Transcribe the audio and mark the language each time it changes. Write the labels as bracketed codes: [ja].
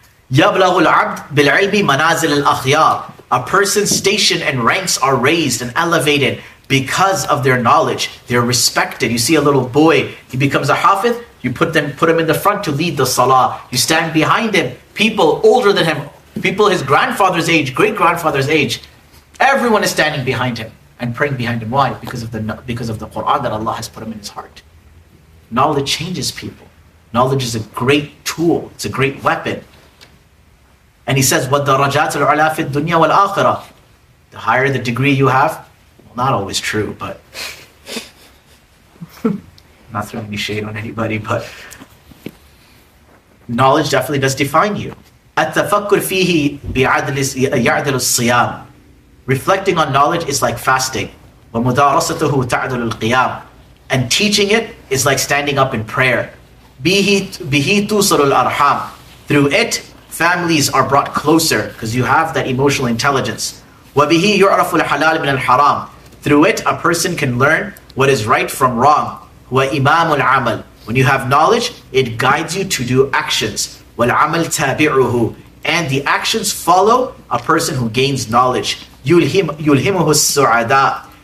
[ar] يبلغ العبد بالعلم منازل الأخيار. [en] A person's station and ranks are raised and elevated because of their knowledge. They're respected. You see a little boy, he becomes a hafiz, you put him in the front to lead the salah. You stand behind him, people older than him, people his grandfather's age, great-grandfather's age, everyone is standing behind him and praying behind him. Why? Because of the Quran that Allah has put him in his heart. Knowledge changes people. Knowledge is a great tool. It's a great weapon. And he says, [ar] وَالدَّرَجَاتُ الْعُلَىٰ فِي الدُّنْيَا وَالْآخِرَةِ. [en] The higher the degree you have, well, not always true, but I'm not throwing any shade on anybody, but knowledge definitely does define you. [ar] التفكر فيه بعدل يعدل الصيام. [en] Reflecting on knowledge is like fasting. [ar] ومدارسته تعدل القيام. [en] And teaching it is like standing up in prayer. [ar] به توصل الأرحام. [en] Through it, families are brought closer because you have that emotional intelligence. [ar] وبه يعرف الحلال من الحرام. [en] Through it, a person can learn what is right from wrong. [ar] وإمام العمل. [en] When you have knowledge, it guides you to do actions. [ar] والعمل تابعه. [en] And the actions follow a person who gains knowledge. [ar] يلهمه السعداء.